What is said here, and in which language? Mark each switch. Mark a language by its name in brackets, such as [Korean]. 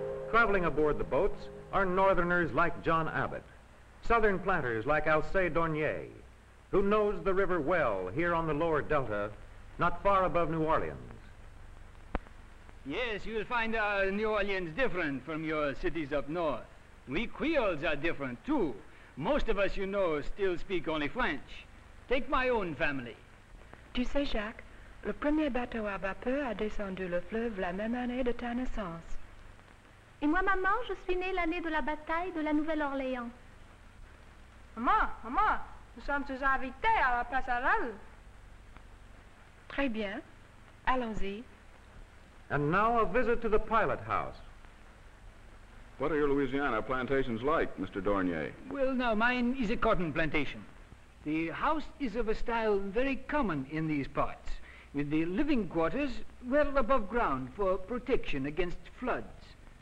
[English] Traveling aboard the boats are northerners like John Abbott, southern planters like Alcé Dornier, who knows the river well here on the lower delta, not far above New Orleans. Yes, you will find New Orleans different from your cities up north. We Creoles are different too. Most of us, you know, still speak only French. Take my own family. [French] Tu sais, Jacques, le premier bateau à vapeur a descendu le fleuve la même année de ta naissance. Et moi, maman, je suis née l'année de la bataille de la Nouvelle-Orléans. Maman, maman, nous sommes tous invités à la place à l'âle. Très bien. Allons-y. [English] And now a visit to the pilot house. What are your Louisiana plantations like, Mr. Dornier? Well, now, mine is a cotton plantation. The house is of a style very common in these parts, with the living quarters well above ground for protection against floods.